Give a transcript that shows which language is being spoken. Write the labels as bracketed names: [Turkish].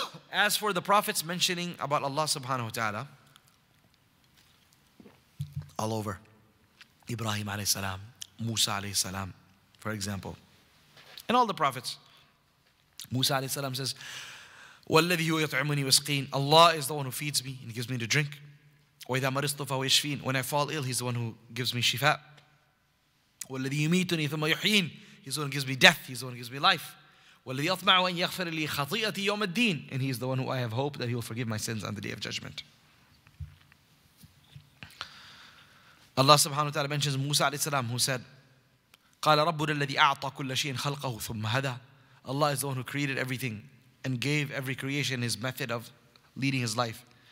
[English] As for the prophets mentioning about Allah subhanahu wa ta'ala, all over, Ibrahim alayhi salam, Musa alayhi salam, for example, and all the prophets. Musa alayhi salam says, "Walladhi huwa yut'imuni wasqin." Allah is the one who feeds me and gives me to drink. [Arabic] وَإِذَا مَرِضْتُ فَهُوَ يَشْفِينِ. [English] When I fall ill, He's the one who gives me shifa. [Arabic] وَالَّذِي يُمِيتُنِي ثُمَّ يُحْيِينِ. [English] He's the one who gives me death. He's the one who gives me life. [Arabic] وَالَّذِي أَطْمَعُ أَنْ يَغْفِرَ لِي خَطِيئَتِي يَوْمَ الدِّينِ. [English] And He's the one who I have hope that He will forgive my sins on the day of judgment. Allah subhanahu wa ta'ala mentions Musa alayhi salam, who said, [Arabic] قَالَ رَبُّنَا الَّذِي أَعْطَى كُلَّ شَيْءٍ خَلْقَهُ ثُمَّ هَدَى. [English] Allah is the one who created everything and gave every creation His method of leading His life.